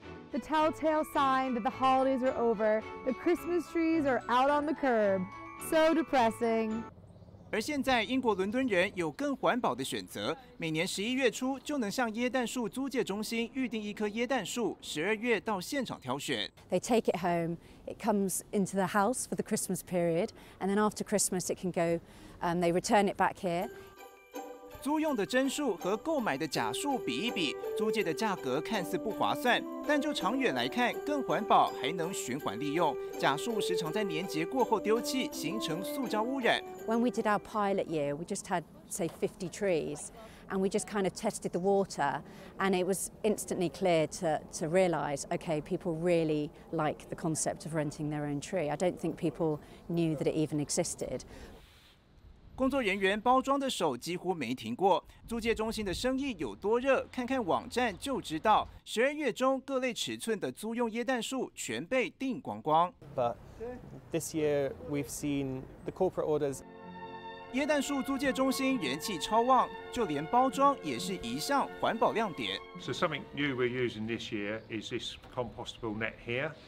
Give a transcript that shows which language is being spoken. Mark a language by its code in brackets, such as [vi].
[en] ，The telltale sign that the holidays are over, the Christmas trees are out on the curb, so depressing。 [zh] 而现在，英国伦敦人有更环保的选择，每年11月初就能向椰蛋树租借中心预定一棵椰蛋树，12月到现场挑选。 [en] They take it home. It comes into the house for the Christmas period, and then after Christmas, it can go. They return it back here. [zh] 租用的真树和购买的假树比一比，租借的价格看似不划算，但就长远来看更环保，还能循环利用。假树时常在年节过后丢弃，形成塑胶污染。 [en] When we did our pilot year, we just had say 50 trees, and we just kind of tested the water, and it was instantly clear to realize, okay, people really like the concept of renting their own tree. I don't think people knew that it even existed. [zh] 工作人员包装的手几乎没停过，租借中心的生意有多热，看看网站就知道。 12月中，各类尺寸的租用椰蛋树全被订光光。 [en] But this year we've seen the corporate orders. [zh] 椰蛋树租借中心人气超旺，就连包装也是一项环保亮点。 [en] So something new we're using this year is this compostable net here.